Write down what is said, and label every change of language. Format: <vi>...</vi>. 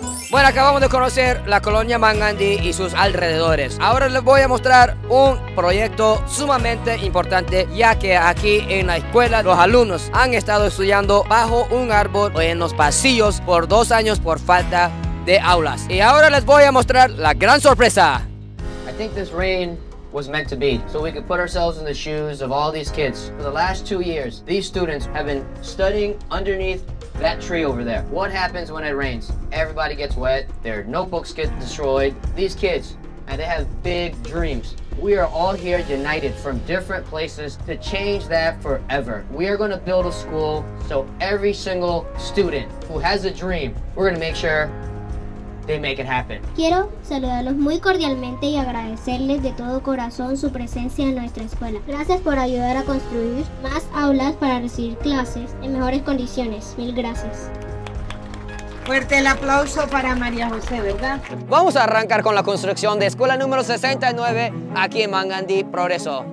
<es>Bueno, acabamos de conocer la colonia Mangandi y sus alrededores. Ahora les voy a mostrar un proyecto sumamente importante, ya que aquí en la escuela los alumnos han estado estudiando bajo un árbol o en los pasillos por 2 años por falta de aulas. Y ahora les voy a mostrar la gran sorpresa.</es> <en>I think this rain was meant to be, so we could put ourselves in the shoes of all these kids. For the last 2 years, these students have been studying underneath that tree over there. What happens when it rains? Everybody gets wet, their notebooks get destroyed. These kids, and they have big dreams. We are all here united from different places to change that forever. We are going to build a school so every single student who has a dream, we're going to make sure they make it happen.</en> <es>Quiero saludarlos muy cordialmente y agradecerles de todo corazón su presencia en nuestra escuela. Gracias por ayudar a construir más aulas para recibir clases en mejores condiciones. Mil gracias. Fuerte el aplauso para María José, ¿verdad? Vamos a arrancar con la construcción de escuela número 69 aquí en Mangandi Progreso.</es>